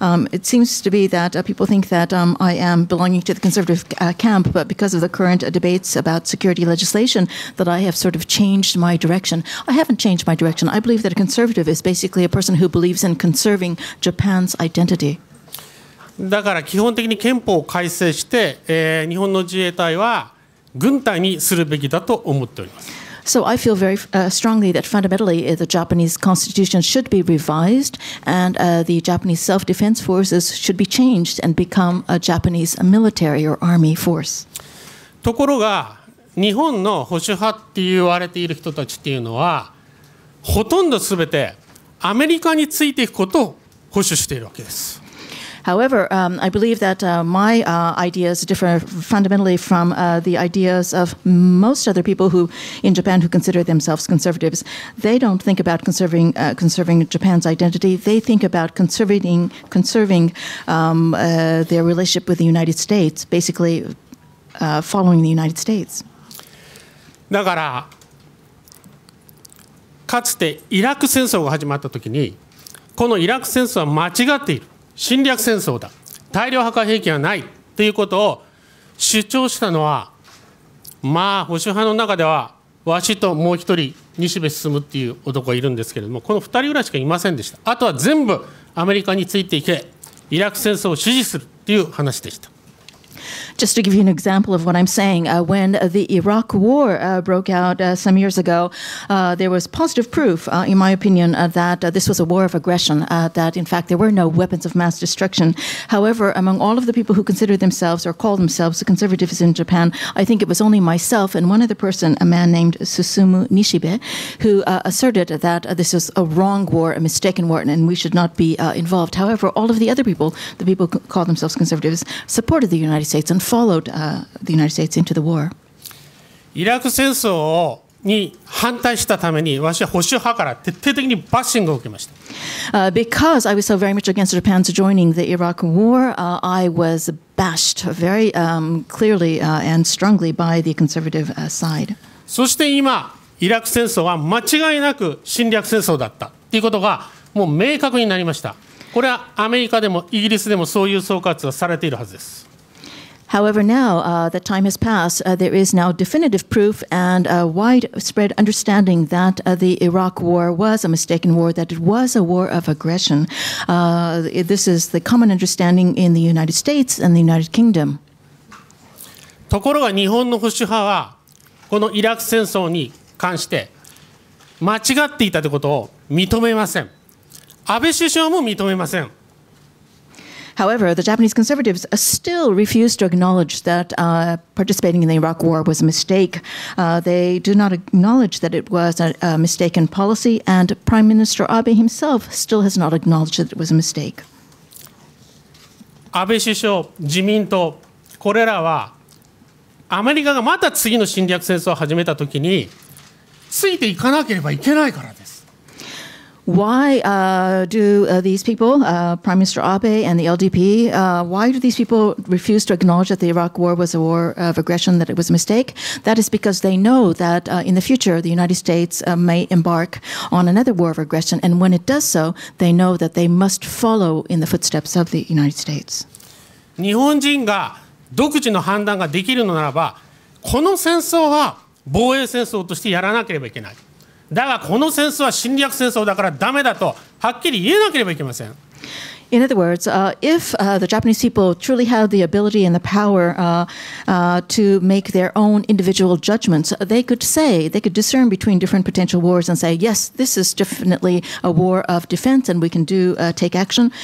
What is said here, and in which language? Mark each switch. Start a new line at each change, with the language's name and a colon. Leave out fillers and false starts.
English: It seems to be that people think that I am belonging to the conservative camp, but because of the current debates about security legislation, that I have sort of changed my direction. I haven't changed my direction. I believe that a conservative is basically a person who believes in conserving Japan's identity.
Japanese: だから基本的に憲法を改正して、日本の自衛隊は軍隊にするべきだと思っております。
English: So I feel very strongly that fundamentally the Japanese constitution should be revised and the Japanese self-defense forces should be changed and become a Japanese military or army force.
Japanese: ところが日本の保守派って言われている人たちっていうのはほとんど全てアメリカについていくことを保守しているわけです。
English: However, I believe that my ideas differ fundamentally from the ideas of most other people who, in Japan who consider themselves conservatives. They don't think about conserving Japan's identity. They think about conserving their relationship with the United States, basically following the United States.
Japanese: だから、かつてイラク戦争が始まったときに、このイラク戦争は間違っている。侵略戦争だ、大量破壊兵器はないということを主張したのは、まあ、保守派の中では、わしともう一人、西部進むっていう男がいるんですけれども、この二人ぐらいしかいませんでした。あとは全部アメリカについていけ、イラク戦争を支持するっていう話でした。
English: Just to give you an example of what I'm saying, when the Iraq war broke out some years ago, there was positive proof, in my opinion, that this was a war of aggression, that in fact there were no weapons of mass destruction. However, among all of the people who consider themselves or call themselves the conservatives in Japan, I think it was only myself and one other person, a man named Susumu Nishibe, who asserted that this was a wrong war, a mistaken war, and we should not be involved. However, all of the other people, the people who call themselves conservatives, supported the United States.And followed the United States into the war.
Japanese: イラク戦争をに反対したために私は保守派から徹底的にバッシングを受けました。
English: Because I was so very much against Japan's joining the Iraq war, I was bashed very clearly and strongly by the conservative side.
Japanese: そして今、イラク戦争は間違いなく侵略戦争だったということがもう明確になりました。これはアメリカでもイギリスでもそういう総括はされているはずです。
English: However, now the time has passed. There is now definitive proof and a widespread understanding that the Iraq war was a mistaken war, that it was a war of aggression. This is the common understanding in the United States and the United Kingdom.
Japanese: ところが日本の保守派はこのイラク戦争に関して間違っていたということを認めません。安倍首相も認めません。
English: However, the Japanese conservatives still refuse to acknowledge that participating in the Iraq war was a mistake. They do not acknowledge that it was a mistaken policy, and Prime Minister Abe himself still has not acknowledged that it was a mistake.
Japanese: 安倍首相、自民党、これらはアメリカがまた次の侵略戦争を始めたときについていかなければいけないからです。
English: Why do these people, Prime Minister Abe and the LDP, why do these people refuse to acknowledge that the Iraq war was a war of aggression, that it was a mistake? That is because they know that in the future, the United States may embark on another war of aggression. And when it does so, they know that they must follow in the footsteps of the United States.
Japanese: 日本人が独自の判断ができるのならば、この戦争は防衛戦争としてやらなければいけない。だがこの戦争は侵略戦争だからダメだとはっきり言えなければいけません。
English: In other words, if the Japanese people truly have the ability and the power to make their own individual judgments, they could say, they could discern between different potential wars and say, yes, this is definitely a war of defense and we can do take action.